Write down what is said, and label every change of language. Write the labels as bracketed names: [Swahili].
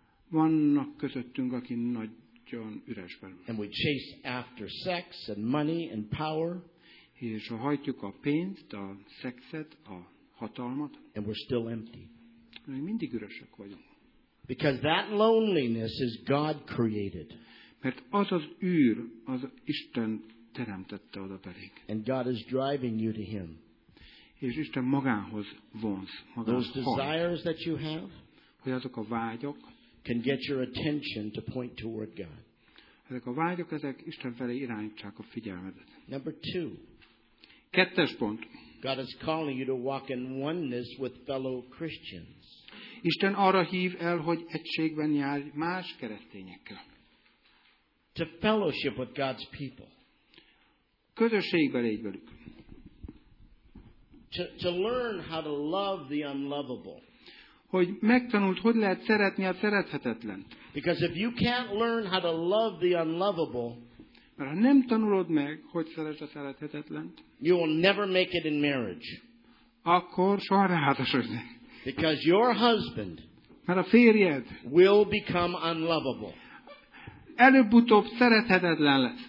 [Hungarian] Vannak közöttünk, aki nagyon üresben. [English] And we chase after sex and money and power. [Hungarian] És hajtjuk a pénzt, a szexet, a hatalmat. [English] And we're still empty. [Hungarian] Még mindig üresek vagyunk. [English] Because that loneliness is God created. [Hungarian] Mert az az űr, az Isten teremtette oda belénk. [English] And God is driving you to him. [Hungarian] És Isten magához vonz, magához hajt. [English] Those desires that you have, [Hungarian] hogy azok a vágyok, [English] can get your attention to point toward God. [Hungarian] Ezek a vágyok, ezek Isten felé irányítsák a figyelmedet. [English] Number two. [Hungarian] Kettes pont. [English] God is calling you to walk in oneness with fellow Christians. [Hungarian] Isten arra hív el, hogy egységben járj más keresztényekkel. [English] To fellowship with God's people. [Hungarian] Közösségbe légy velük. [English] To learn how to love the unlovable. [Hungarian] Hogy megtanult, hogy lehet szeretni a szerethetetlent. [English] Because if you can't learn how to love the unlovable, [Hungarian] mert ha nem tanulod meg, hogy szeretsz a szerethetetlent, [English] you will never make it in marriage. [Hungarian] Akkor soha ne házasodj. [English] Because your husband, [Hungarian] mert a férjed, [English] will become unlovable. [Hungarian] Előbb-utóbb szerethetetlen lesz.